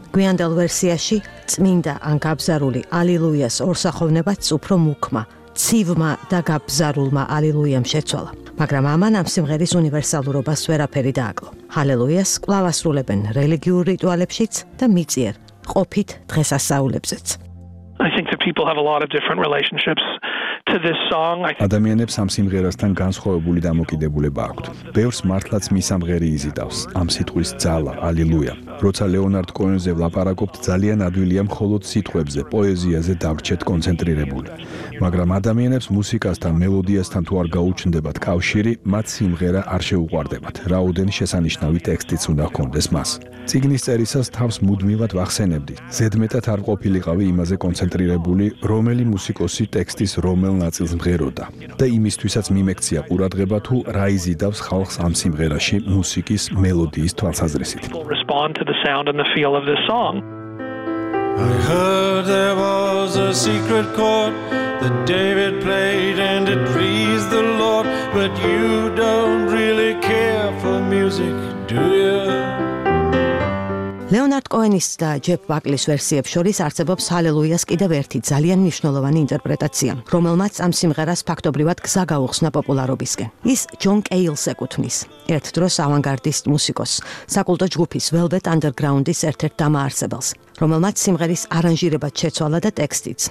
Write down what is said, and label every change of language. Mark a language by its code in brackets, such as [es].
[ka] გვიანდელ ვერსიაში წმინდა ან გაბზარული ალილუიას ორსახოვნებაც უფრო მუქმა, ცივმა და გაბზარულმა ალილუიამ შეცვალა. მაგრამ ამან ამ სიმღერის უნივერსალურობას ვერაფერი დააკლო. ჰალელუიას კვლავ ასრულებენ რელიგიურ რიტუალებშიც და მიწიერ ყოფით დღესასწაულებზეც. [en] I think that people have a lot of different relationships to this song. [ka] ადამიანებს ამ სიმღერასთან განსხვავებული დამოკიდებულება აქვთ. ბევრს მართლაც მისამღერი იზიდავს ამ სიტყვის ძალა, ალილუია. როცა ლეონარდ კოენზე ვლაპარაკობთ, ძალიან ადვილია მხოლოდ სიტყვებზე, პოეზიაზე დაგრჩეთ კონცენტრირებული. მაგრამ ადამიანებს მუსიკასთან, მელოდიასთან თუ არ გაუჩნდებათ კავშირი, მათ სიმღერა არ შეუყვარდებათ, რაოდენ შესანიშნავი ტექსტიც უნდა ჰქონდეს მას. წიგნის წერისას თავს მუდმივად ვახსენებდი, ზედმეტად არ ყოფილიყავი იმაზე კონცენტრირებული, რომელი მუსიკოსი ტექსტის რომელ ნაწილს მღეროდა და იმისთვისაც მიმექცია ყურადღება, თუ რა იზიდავს ხალხს ამ სიმღერაში მუსიკის მელოდიის თვალსაზრისით. [en] To the sound and the feel of this song. I heard there was a secret chord that David played and it pleased the Lord, but you don't really care for music, do you? [ka] ლეონარდ კოენის და ჯეფ ბაკლის ვერსიებს შორის არსებობს ჰალელუიას კიდევ ერთი ძალიან მნიშვნელოვანი ინტერპრეტაცია, რომელმაც ამ სიმღერას ფაქტობრივად გზა გაუხსნა პოპულარობისკენ. ის ჯონ კეილს ეკუთვნის, ერთ დროს ავანგარდისტ მუსიკოს, საკულტო ჯგუფის Velvet Underground-ის ერთ-ერთ დამაარსებელს, რომელმაც სიმღერის არანჟირება შეცვალა და ტექსტიც.